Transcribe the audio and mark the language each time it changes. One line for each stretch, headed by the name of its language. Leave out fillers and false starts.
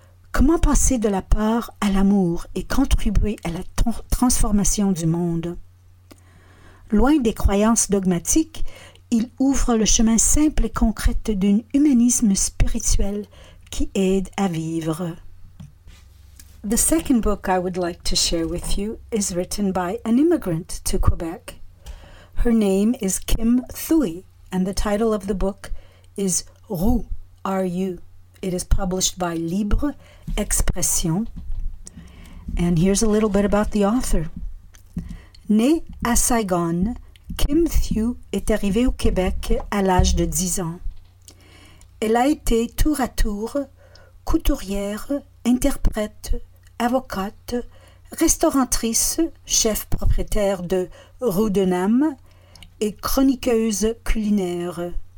French: Comment passer de la peur à l'amour et contribuer à la transformation du monde? Loin des croyances dogmatiques, il ouvre le chemin simple et concret d'un humanisme spirituel qui aide à vivre.
English: The second book I would like to share with you is written by an immigrant to Quebec. Her name is Kim Thuy, and the title of the book is Roux, R-U. It is published by Libre Expression. And here's a little bit about the author.
French: Née à Saigon, Kim Thuy est arrivée au Québec à l'âge de 10 ans. Elle a été tour à tour couturière, interprète, avocate, restauratrice, chef propriétaire de Rue de Nam et chroniqueuse culinaire.